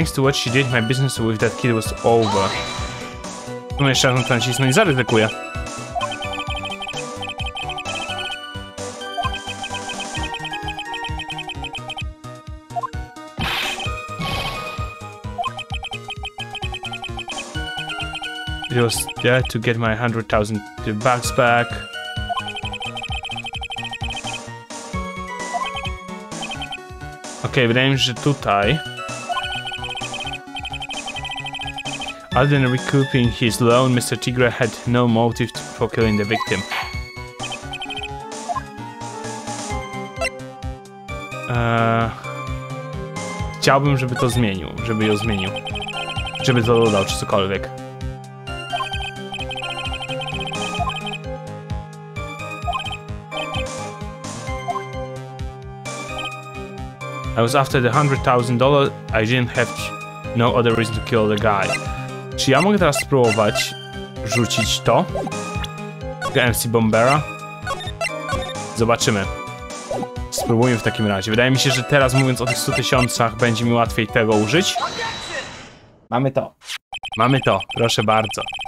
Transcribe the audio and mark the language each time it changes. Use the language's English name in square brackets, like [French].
[English] Thanks to what she did, my business with that kid was over. [Polish] No jeszcze raz muszę nacisnąć i zaryzykuję. [English] It was there to get my 100,000 bucks back. [Polish] Okej, okay, wydaje mi się, że tutaj. [English] Other than recouping his loan, Mr. Tigre had no motive for killing the victim. [Polish] Chciałbym, żeby to zmienił, żeby ją zmienił. Żeby to dodał, czy cokolwiek. [English] I was after the $100,000, I didn't have no other reason to kill the guy. [Polish] Czy ja mogę teraz spróbować rzucić to? The MC Bombera? Zobaczymy. Spróbujmy w takim razie. Wydaje mi się, że teraz mówiąc o tych 100 tysiącach będzie mi łatwiej tego użyć. Mamy to. Mamy to, proszę bardzo.